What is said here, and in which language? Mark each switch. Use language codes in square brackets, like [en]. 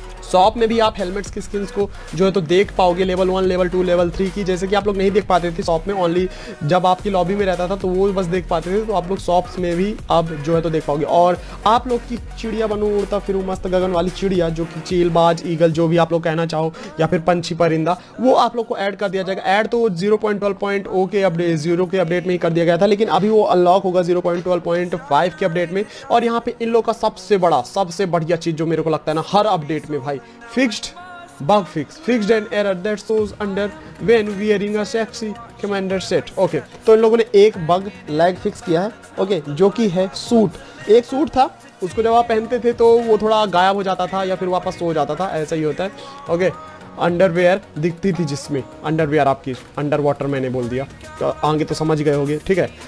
[hi] Shop में भी आप हेलमेट्स की स्किन्स को जो है तो देख पाओगे लेवल 1, लेवल 2, लेवल 3 की जैसे कि आप लोग नहीं देख पाते थे शॉप में ओनली जब आपकी लॉबी में रहता था तो वो बस देख पाते थे तो आप लोग शॉप्स में भी अब जो है तो देख पाओगे और आप लोग की चिड़िया बनू उड़ता फिर मस्त गगन वाली चिड़िया जो कि चील बाज ईगल जो भी आप लोग कहना चाहो या फिर पंछी परिंदा वो आप लोग को ऐड कर दिया जाएगा ऐड तो 0.12.0 के अपडेट 0 के अपडेट में ही कर दिया गया था लेकिन अभी वो अनलॉक होगा 0.12.5 के अपडेट में और यहाँ पे इन लोग का सबसे बड़ा सबसे बढ़िया चीज़ जो मेरे को लगता है ना हर अपडेट में भाई fixed [en] bug fix, fixed an error that shows under when wearing a sexy commander set. [hi] Okay, तो इन लोगों ने एक bug lag fix किया है, okay, जो कि है suit. एक suit था, उसको जब आप पहनते थे तो वो थोड़ा गायब हो जाता था या फिर वापस सो जाता था, ऐसा ही होता है. Okay, underwear दिखती थी जिसमें, underwear आपकी, underwater मैंने बोल दिया, तो आगे तो समझ गए होगे, ठीक है.